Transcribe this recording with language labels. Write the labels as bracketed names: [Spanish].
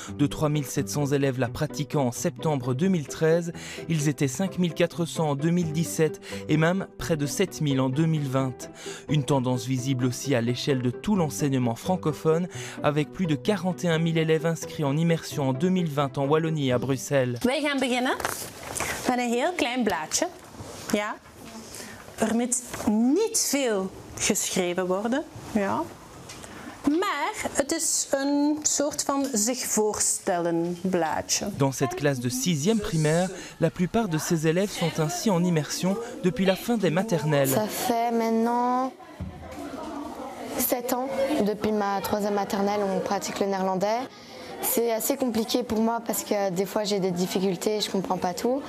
[French] De 3700 élèves la pratiquant en septembre 2013, ils étaient 5400 en 2017 et même près de 7000 en 2020. Une tendance visible aussi à l'échelle de tout l'enseignement francophone, avec plus de 41 000 élèves inscrits en immersion en 2020 en Wallonie à Bruxelles. [Dutch] We gaan beginnen met een heel klein blaadje. Ja. Er moet niet veel geschreven worden. Ja. Maar het is een soort van zich voorstellen blaadje. [French] Dans cette classe de 6e primaire, la plupart de ces élèves sont ainsi en immersion depuis la fin des maternelles. Ça fait maintenant 7 ans depuis ma 3e maternelle où on pratique le néerlandais. C'est assez compliqué pour moi parce que des fois j'ai des difficultés, je comprends pas tout.